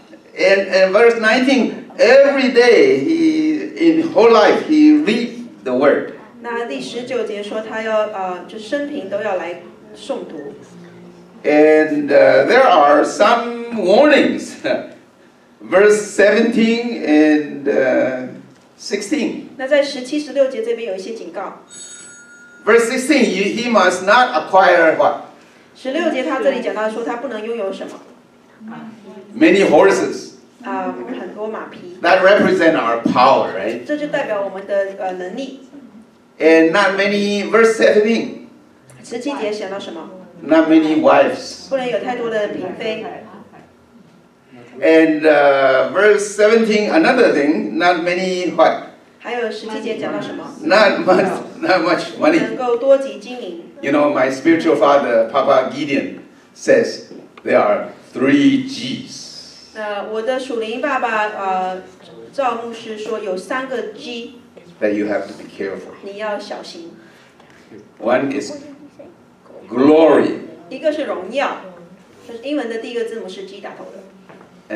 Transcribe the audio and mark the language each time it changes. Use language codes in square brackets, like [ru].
[en] And verse 19, every day he in whole life he read the word. [zh] 那第十九节说他要就生平都要来诵读。 [en] And there are some warnings, verse 17 and 16. [zh] 那在十七十六节这边有一些警告。 [en] Verse 16, he must not acquire what? [zh] 十六节他这里讲到说他不能拥有什么。 [en] Many horses. [zh] 很多马匹。 [en] That represent our power, right? [zh] 这就代表我们的能力。 [en] And not many. Verse 17. [zh] 十七节想到什么？ [en] Not many wives. [zh] 不能有太多的嫔妃。 [en] And verse 17, another thing. Not many what? [zh] 还有十七节讲到什么？ [en] Not much money. [zh] 能够多及金银。 [en] You know, my spiritual father, Papa Gideon, says they are. Three G's. [zh] 那我的属灵爸爸赵牧师说有三个 G. [en] That you have to be careful. [zh] 你要小心。 [en] One is glory. [zh] 一个是荣耀，就是英文的第一个字母是 G 打头的。